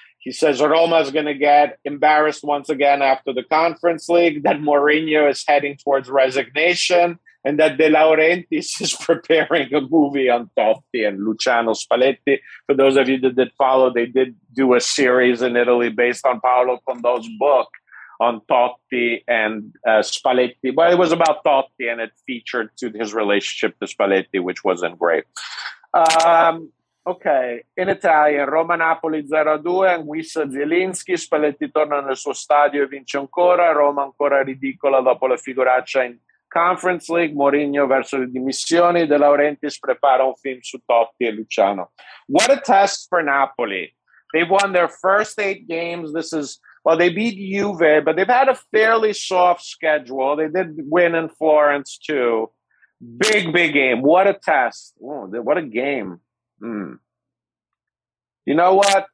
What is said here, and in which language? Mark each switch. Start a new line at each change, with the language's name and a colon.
English: He says Roma is going to get embarrassed once again after the Conference League, that Mourinho is heading towards resignation, and that De Laurentiis is preparing a movie on Totti and Luciano Spalletti. For those of you that did follow, they did do a series in Italy based on Paolo Condo's book on Totti and Spalletti. Well, it was about Totti, and it featured to his relationship to Spalletti, which wasn't great. Okay, in Italian,
Italian: Roma-Napoli 0-2, Anguissa Zielinski, Spalletti torna nel suo stadio e vince ancora, Roma ancora ridicola dopo la figuraccia in Conference League, Mourinho verso le dimissioni, De Laurentiis prepara un film su Totti e Luciano.
English: What a test for Napoli. They've won their first 8 games. This is, well, they beat Juve, but they've had a fairly soft schedule. They did win in Florence too. Big, big game. What a test. Ooh, what a game. You know what?